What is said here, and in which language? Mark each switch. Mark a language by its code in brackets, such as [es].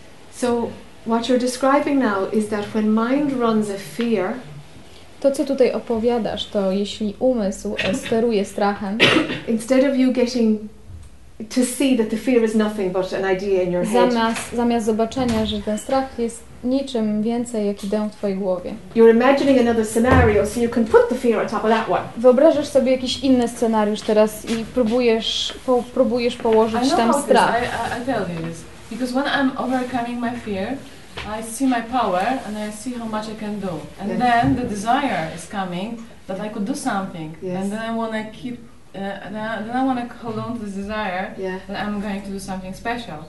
[en] So what you're describing now is that when mind runs a fear, [pl] to co tutaj opowiadasz, to jeśli umysł steruje strachem, [en] instead of you getting to see that the fear is nothing but an idea in your head, [pl] zamiast zobaczenia, że ten strach jest niczym więcej jak ideą w twojej głowie, [en] you're imagining another scenario, so you can put the fear on top of that one. [pl] Wyobrażasz sobie jakiś inny scenariusz teraz i próbujesz położyć tam strach. [en] Because when I'm overcoming my fear, I see my power and I see how much I can do. And yes. Then the desire is coming that I could do something. Yes. And then I want to keep. Then I want to hold on to this desire. Yeah. That I'm going to do something special.